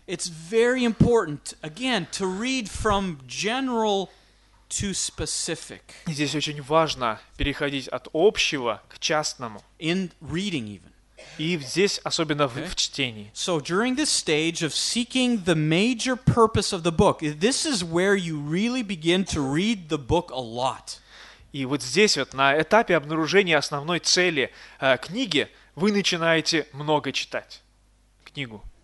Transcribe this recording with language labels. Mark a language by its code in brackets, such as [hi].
[en] It's very important, again, to read from general to specific. [ru] Здесь очень важно переходить от общего к частному. [en] In reading even. [ru] И здесь особенно okay. в чтении. [en] So during this stage of seeking the major purpose of the book, this is where you really begin to read the book a lot. [ru] И вот здесь вот на этапе обнаружения основной цели книги вы начинаете много читать книгу.